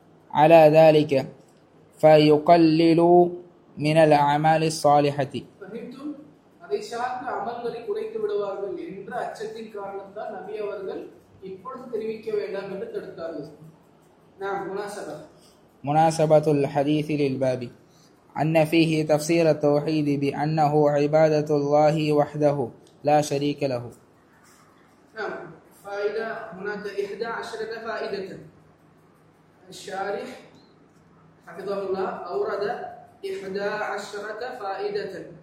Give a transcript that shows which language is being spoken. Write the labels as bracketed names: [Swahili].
[Arabic] على ذلك فيقلل من الأعمال الصالحة. [Tamil] فهمتم؟ அதை சார்ந்த அமல்களை குறைத்து விடுவார்கள் என்ற அச்சத்தின் காரணத்தால் நபி அவர்கள் இப்பொழுது தெரிவிக்க வேண்டாம் என்று தடுத்தார்கள். நாம் [Arabic] مناسبة الحديث للباب أن فيه تفسير التوحيد بأنه عبادة الله وحده لا شريك له. نعم، فائدة هناك 11 فائدة. الشارح حفظه الله أورد 11 فائدة.